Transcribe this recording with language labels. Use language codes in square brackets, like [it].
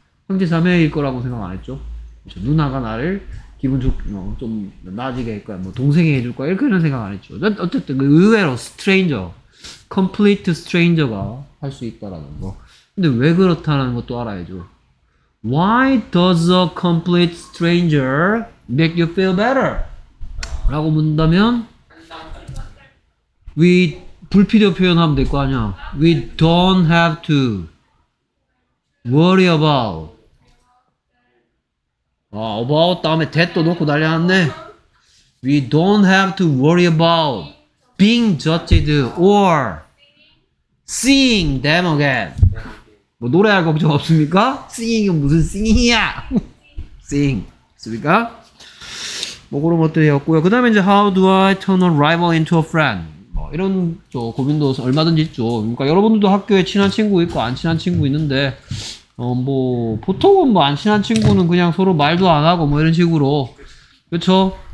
[ko] 형제 자매일 거라고 생각 안 했죠? 누나가 나를 기분 좋게, 좀 나아지게 할 거야. 뭐, 동생이 해줄 거야. 이렇게 이런 생각 안 했죠. 어쨌든, 의외로, stranger. complete stranger가 할수 있다라는 거. 근데 왜 그렇다는 것도 알아야죠. [en] Why does a complete stranger make you feel better? [ko] 라고 묻는다면, 불필요 표현하면 될거 아니야. [en] We don't have to worry about. [ko] 아, about 다음에 that도 넣고 난리 났네. [en] We don't have to worry about being judged or seeing them again. [ko] 뭐 노래할 걱정 없습니까? Seeing은 무슨 sing이야? Sing. 있습니까? 뭐 그런 것들이었고요. 그 다음에 이제 [en] how do I turn a rival into a friend? [ko] 뭐 이런 저 고민도 얼마든지 있죠. 그러니까 여러분들도 학교에 친한 친구 있고 안 친한 친구 있는데 뭐, 보통은 뭐, 안 친한 친구는 그냥 서로 말도 안 하고, 뭐, 이런 식으로. 그쵸?